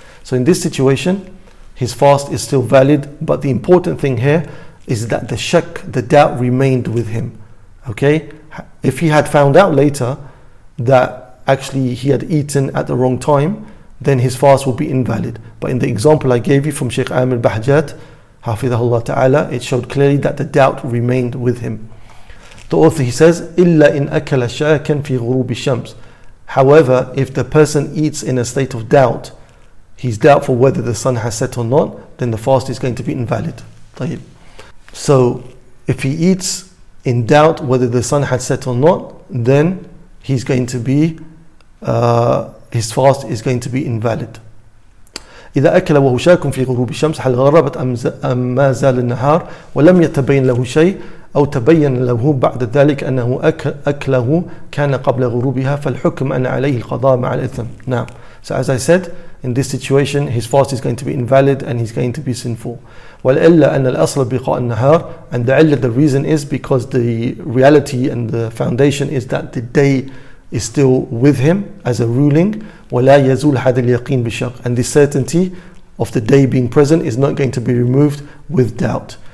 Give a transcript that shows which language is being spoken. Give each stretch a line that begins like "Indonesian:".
English: So in this situation, his fast is still valid, but the important thing here is that the shak, the doubt, remained with him. Okay? If he had found out later that actually he had eaten at the wrong time, then his fast would be invalid. But in the example I gave you from Sheikh Amir Bahjat, Hafidhahullah Ta'ala, it showed clearly that the doubt remained with him. The author, he says,
Arabic: إِلَّا إِنْ أَكَلَ شَاكًا فِي غُرُوبِ الشَّمْسِ.
English: However, if the person eats in a state of doubt, he's doubtful whether the sun has set or not, then the fast is going to be invalid.
Arabic: طيب.
English: So, if he eats in doubt whether the sun has set or not, then he's going to be, his fast is going to be invalid.
Arabic: إِذَا أَكَلَ وَهُ شَاكٌ فِي غُرُوبِ الشَّمْسِ حَلْ غَرَبَتْ أَمْ مَا زَالَ النَّهَارِ وَلَمْ يَتَبَيْنْ لَهُ شَيْءٍ أو تبين له بعد ذلك أنه أكله كان قبل غروبها فالحكم أن عليه القضاء مع الإثم. نعم.
English: So as I said, in this situation, his fast is going to be invalid and he's going to be sinful.
Arabic: والإلا أن الأصل بقاء النهار,
English: and the علة, the reason is because the reality and the foundation is that the day is still with him as a ruling.
Arabic: ولا يزول هذا اليقين بشق,
English: and the certainty of the day being present is not going to be removed with doubt.